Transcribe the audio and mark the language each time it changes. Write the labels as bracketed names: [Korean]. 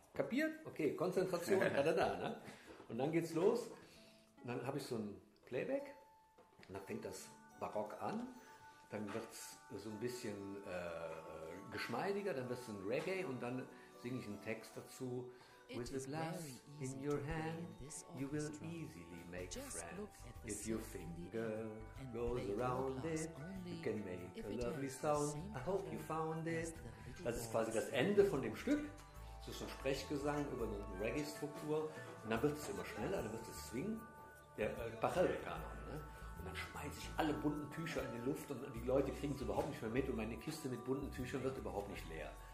[German] Kapiert? Okay, Konzentration, da. Ne? Und dann geht's los. Und dann habe ich so ein Playback. Und dann fängt das barock an. Dann wird es so ein bisschen geschmeidiger. Dann wird es ein Reggae. Und dann singe ich einen Text dazu. [English] With a glass in your hand, you will easily make friends. If your finger goes around it, you can make a lovely sound. I hope you found it. [German] Das ist quasi das Ende von dem Stück. Das ist ein Sprechgesang über eine Reggae-Struktur. Und dann wird es immer schneller, dann wird es swingen. Der Bachelor-Kanon. Ne? Und dann schmeiße ich alle bunten Tücher in die Luft und die Leute kriegen es überhaupt nicht mehr mit und meine Kiste mit bunten Tüchern wird überhaupt nicht leer.